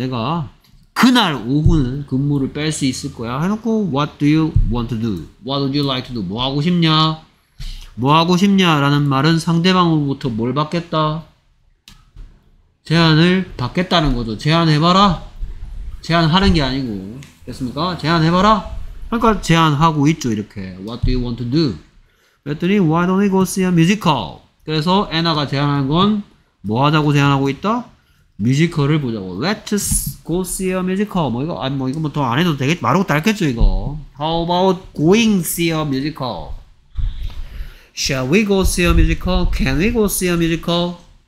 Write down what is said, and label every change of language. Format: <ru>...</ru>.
<ko>내가 그날 오후는 근무를 뺄 수 있을 거야 해놓고</ko> <en>What do you want to do?</en> <ko>What would you like to do? 뭐 하고 싶냐? 뭐 하고 싶냐? 라는 말은 상대방으로부터 뭘 받겠다? 제안을 받겠다는 거죠. 제안해봐라. 제안하는 게 아니고. 됐습니까? 제안해봐라. 그러니까 제안하고 있죠. 이렇게</ko> <en>What do you want to do?</en> <ko>그랬더니</ko> <en>Why don't we go see a musical?</en> <ko>그래서 애나가 제안한 건 뭐 하자고 제안하고 있다? 뮤지컬을 보자고.</ko> <en>Let's go see a musical.</en> <ko>뭐 이거 아니 뭐 이거 뭐 더 안 해도 되겠지. 말하고 딸겠죠 이거.</ko> <en>How about going see a musical? Shall we go see a musical? Can we go see a musical?</en>